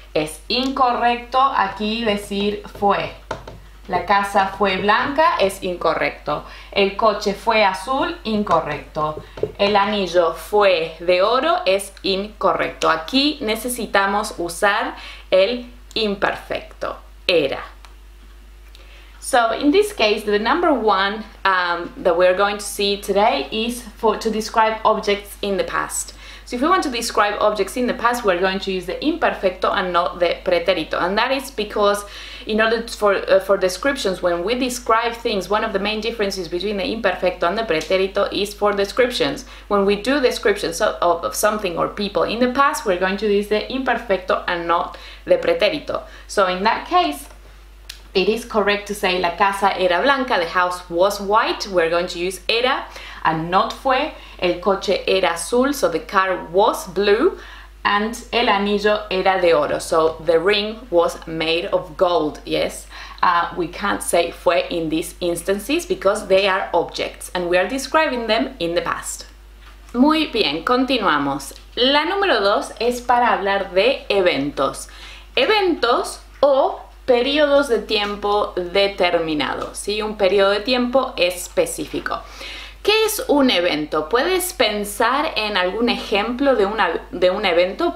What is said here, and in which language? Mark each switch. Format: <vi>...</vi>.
<es>Es incorrecto aquí decir fue. La casa fue blanca, es incorrecto. El coche fue azul, incorrecto. El anillo fue de oro, es incorrecto. Aquí necesitamos usar el imperfecto. Era.</es> <en>So in this case, the number one that we're going to see today is for to describe objects in the past. So if we want to describe objects in the past, we're going to use the imperfecto and not the pretérito. And that is because in order for descriptions, when we describe things, one of the main differences between the imperfecto and the pretérito is for descriptions. When we do descriptions of something or people in the past, we're going to use the imperfecto and not the pretérito. So in that case, it is correct to say</en> <es>la casa era blanca,</es> <en>the house was white. We're going to use era and not fue.</en> <es>El coche era azul,</es> <en>so the car was blue. And</en> <es>el anillo era de oro,</es> <en>so the ring was made of gold, yes? We can't say fue in these instances because they are objects and we are describing them in the past.</en> <es>Muy bien, continuamos. La número dos es para hablar de eventos. Eventos o periodos de tiempo determinados, ¿sí? Un periodo de tiempo específico. ¿Qué es un evento? ¿Puedes pensar en algún ejemplo de un evento?</es>